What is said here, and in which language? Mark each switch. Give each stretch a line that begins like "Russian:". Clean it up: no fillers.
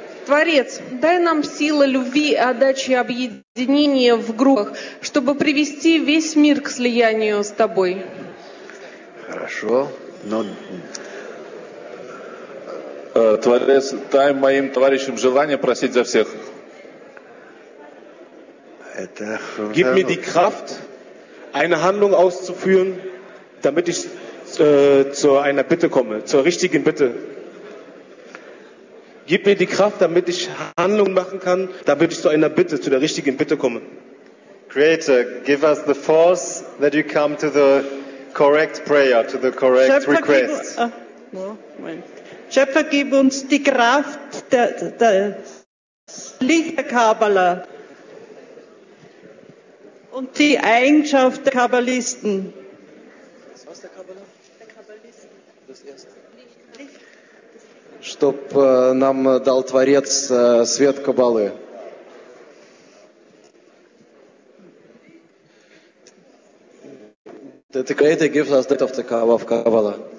Russian: Творец, дай нам силы любви и отдачи объединения в группах, чтобы привести весь мир к слиянию с тобой. Хорошо. Но... Творец, дай моим товарищам желание просить за всех. Это...
German: Gib mir die Kraft, eine Handlung auszuführen, damit ich zu einer Bitte komme, zur richtigen Bitte. Gib mir die Kraft, damit ich Handlung machen kann, damit ich zu einer Bitte, zu der richtigen Bitte komme.
English: Creator, give us the force that you come to the correct prayer, to the correct
German: Schöpfer
English: request.
German: Schöpfer, gib uns die Kraft, das Licht der Kabbala und die Eigenschaft der Kabbalisten. Was heißt der Kabbala? Der Kabbalisten. Das Erste.
Russian: Чтоб нам дал Творец свет Каббалы.
English: The Creator gives us the light of the Kabbalah.